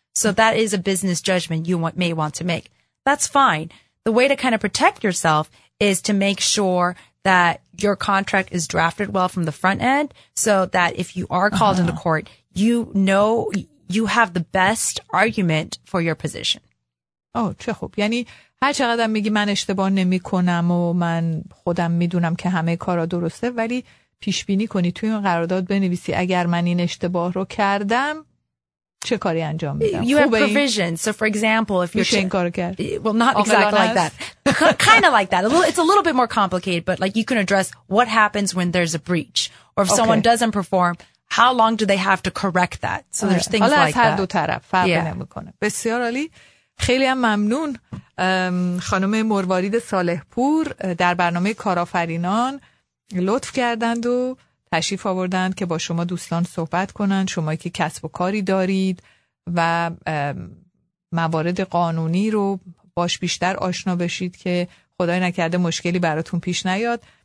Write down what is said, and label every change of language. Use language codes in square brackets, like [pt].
[en] So that is a business judgment you may want to make. That's fine. The way to kind of protect yourself is to make sure that your contract is drafted well from the front end so that if you are called into court, you know you have the best argument for your position. [fa] Oh, چه خوب. یعنی هر چقدر میگی من اشتباه نمی کنم و من خودم میدونم که همه کارا درسته ولی پیش بینی کنی توی این قرارداد بنویسی اگر من این اشتباه رو کردم چه کاری انجام میدم. [en] You have provisions. So for example, if you're [fa] این کارو کرد. [en] Well, not exactly like that. Kind of like that. It's a little bit more complicated, but like you can address what happens when there's a breach or if someone doesn't perform, how long do they have to correct that? So there's things like that. [fa] حالا از هر دو طرف فرق نمیکنه. بسیار عالی. خیلی هم ممنون خانم مروارید صالح پور در برنامه کارآفرینان لطف کردند و تشریف آوردند که با شما دوستان صحبت کنند. شما که کسب و کاری دارید و موارد قانونی رو باش بیشتر آشنا بشید که خدای نکرده مشکلی براتون پیش نیاد.